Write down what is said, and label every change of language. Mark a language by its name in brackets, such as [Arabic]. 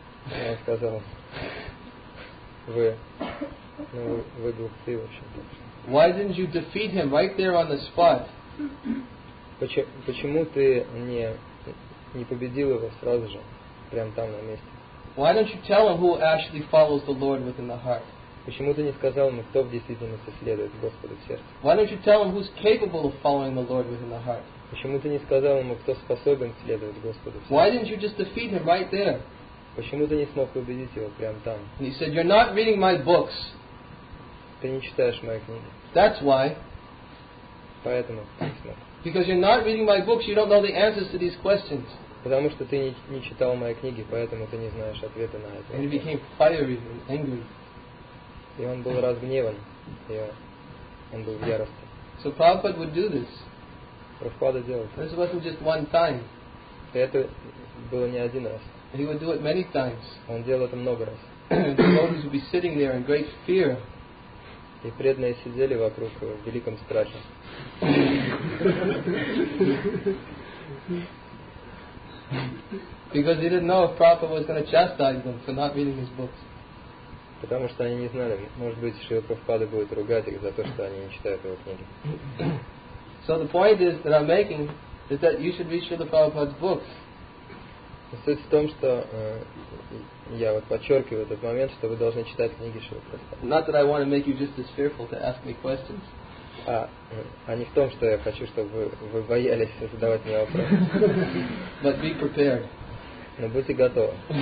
[Russian] И он сказал, вы глупцы вообще. [English] Why didn't you defeat him right there on the spot? [Russian] Почему ты не победил его сразу же, прямо там на месте? [English] Why don't you tell him who actually follows the Lord within the heart? [Russian] Почему ты не сказал ему, кто в действительности следует Господу в сердце? [English] Why don't you tell him who's capable of following the Lord within the heart? [Russian] Почему ты не сказал ему, кто способен следовать Господу в сердце? [English] Why didn't you just defeat him right there? [Russian] Почему ты не смог убедить его прямо там? [English] And he said, you're not reading my books. [Russian] Ты не читаешь мои книги. [English] That's why. [Russian] Поэтому ты не смог. [English] Because you're not reading my books, you don't know the answers to these questions. [Russian] Потому что ты не читал мои книги, поэтому ты не знаешь ответа на это. [English] And he became fiery and angry. [Russian] И он был разгневан. И он был в ярости. [English] So Prabhupada would do this. [Russian] Прабхупада делал это. [English] This wasn't just one time. [Russian] И это было не один раз. [English] He would do it many times. [Russian] Он делал это много раз. [English] The devotees would be sitting there in great fear. [Russian] И преданные сидели вокруг в великом страхе. [English] Because they didn't know if Prabhupada was going to chastise them for not reading his books. [Russian] Потому что они не знали, может быть, Шрила Прабхупада будет ругать их за то, что они не читают его книги. [English] So the point is that I'm making is that you should read Shrila Prabhupada's books. [Russian] Суть в том, что я вот подчеркиваю этот момент, что вы должны читать книги Шрила Прабхупада. [English] Not that I want to make you just as fearful to ask me questions. [Russian] А не в том, что я хочу, чтобы вы боялись задавать мне вопросы. [English] But be prepared. [Russian] Но будьте готовы.